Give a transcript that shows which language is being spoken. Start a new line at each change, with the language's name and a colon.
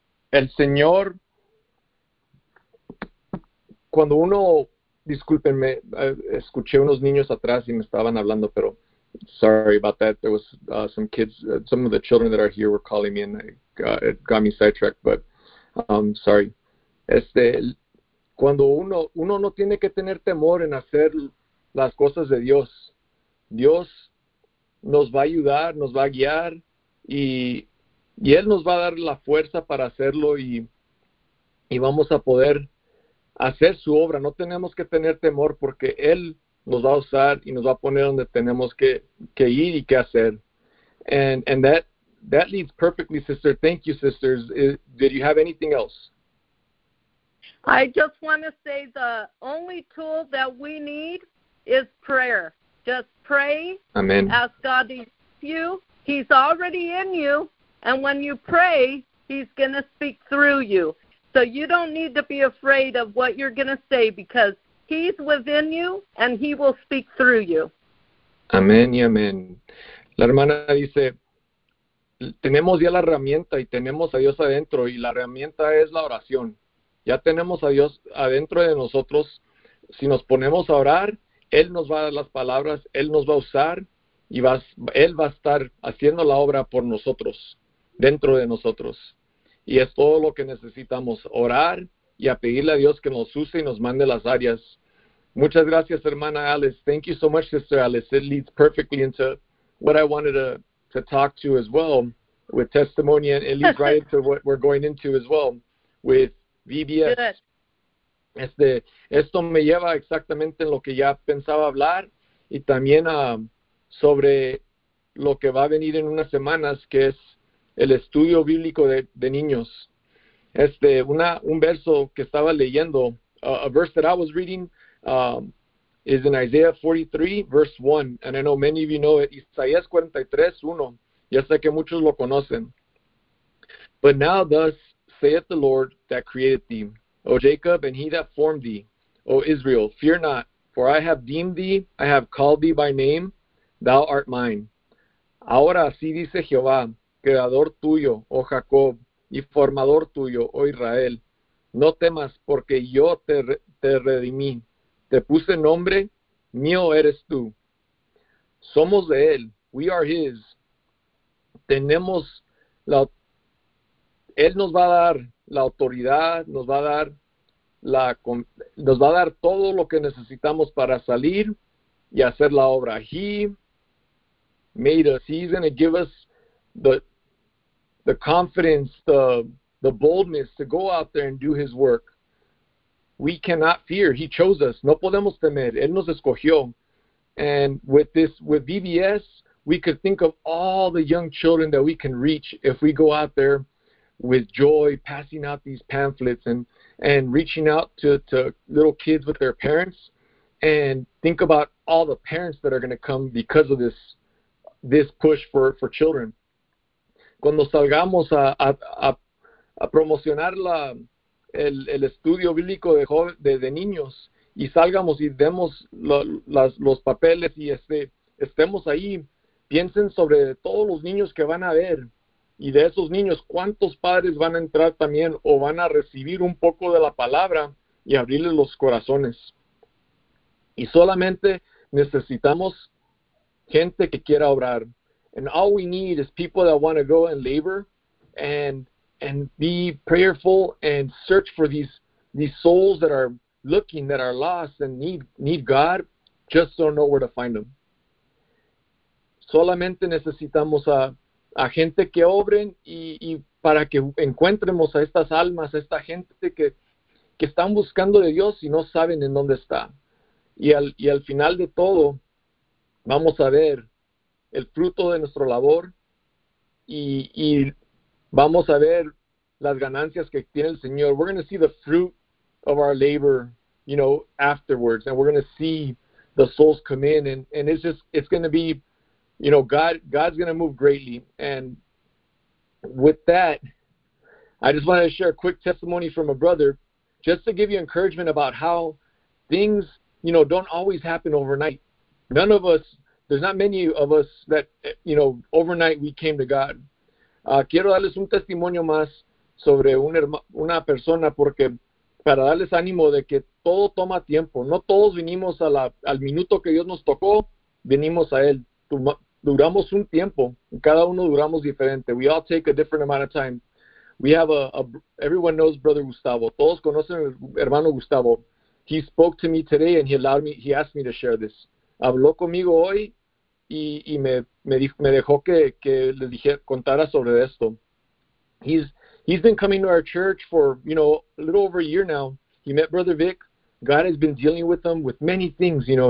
Spanish: El Señor, cuando uno, discúlpenme, escuché unos niños atrás y me estaban hablando, pero
English: sorry about that. There was some kids, some of the children that are here were calling me, and it got me sidetracked, but sorry.
Spanish: Cuando uno no tiene que tener temor en hacer las cosas de Dios. Dios nos va a ayudar, nos va a guiar, y Él nos va a dar la fuerza para hacerlo, y vamos a poder hacer su obra. No tenemos que tener temor, porque Él nos va a usar y nos va a poner donde tenemos que ir y qué hacer.
English: And that leads perfectly, sister. Thank you, sisters. Did you have anything else? I just want to say the only tool that we need is prayer. Just pray, Amen. ask God to use you. He's already in you. And when you pray, he's going to speak through you. So you don't need to be afraid of what you're going to say, because he's within you and he will speak through you.
Spanish: Amén y amén. La hermana dice, tenemos ya la herramienta y tenemos a Dios adentro, y la herramienta es la oración. Ya tenemos a Dios adentro de nosotros. Si nos ponemos a orar, Él nos va a dar las palabras, Él nos va a usar, Él va a estar haciendo la obra por nosotros, dentro de nosotros. Y es todo lo que necesitamos, orar y a pedirle a Dios que nos use y nos mande las áreas. Muchas gracias, hermana Alice.
English: Thank you so much, sister Alice. It leads perfectly into what I wanted to talk to as well, with testimony, and it leads right into what we're going into as well, with VBS. Good.
Spanish: Esto me lleva exactamente en lo que ya pensaba hablar, y también sobre lo que va a venir en unas semanas, que es el estudio bíblico de niños. Un verso que estaba leyendo,
English: a verse that I was reading, is in Isaiah 43, verse 1. And I know many of you know it.
Spanish: Isaías 43, 1. Ya sé que muchos lo conocen.
English: But now thus saith the Lord that created thee, O Jacob, and he that formed thee, O Israel, fear not, for I have deemed thee, I have called thee by name, thou art mine.
Spanish: Ahora así dice Jehová, creador tuyo, oh Jacob, y formador tuyo, oh Israel. No temas, porque yo te redimí. Te puse nombre, mío eres tú. Somos de él.
English: We are his.
Spanish: Tenemos la, él nos va a dar la autoridad, nos va a dar la, nos va a dar todo lo que necesitamos para salir y hacer la obra.
English: He made us, he's going to give us the confidence, the boldness to go out there and do his work. We cannot fear. He chose us.
Spanish: No podemos temer. Él nos escogió.
English: And with this, with VBS, we could think of all the young children that we can reach if we go out there with joy, passing out these pamphlets and reaching out to little kids with their parents. And think about all the parents that are going to come because of this push for children.
Spanish: Cuando salgamos a promocionar la el estudio bíblico de joven, de niños, y salgamos y demos los papeles y estemos ahí, piensen sobre todos los niños que van a ver, y de esos niños, ¿cuántos padres van a entrar también o van a recibir un poco de la palabra y abrirles los corazones? Y solamente necesitamos gente que quiera obrar.
English: And all we need is people that want to go and labor and be prayerful and search for these souls that are looking, that are lost and need God, just don't know where to find them.
Spanish: Solamente necesitamos a gente que obren y para que encuentremos a estas almas, a esta gente que están buscando de Dios y no saben en dónde está. Y al final de todo, vamos a ver el fruto de nuestro labor y vamos a ver las ganancias que tiene el Señor.
English: We're going to see the fruit of our labor, you know, afterwards. And we're going to see the souls come in. And it's just, it's going to be, you know, God's going to move greatly. And with that, I just wanted to share a quick testimony from a brother just to give you encouragement about how things, you know, don't always happen overnight. None of us, there's not many of us that, you know, overnight we came to God.
Spanish: Quiero darles un testimonio más sobre una persona porque para darles ánimo de que todo toma tiempo. No todos vinimos al minuto que Dios nos tocó, vinimos a Él. Duramos un tiempo. Cada uno duramos diferente.
English: We all take a different amount of time. We have everyone knows Brother Gustavo.
Spanish: Todos conocen al hermano Gustavo.
English: He spoke to me today and he asked me to share this.
Spanish: Habló conmigo hoy y me dejó que le dije contara sobre esto.
English: He's been coming to our church for, you know, a little over a year now. He met Brother Vic. God has been dealing with him with many things, you know.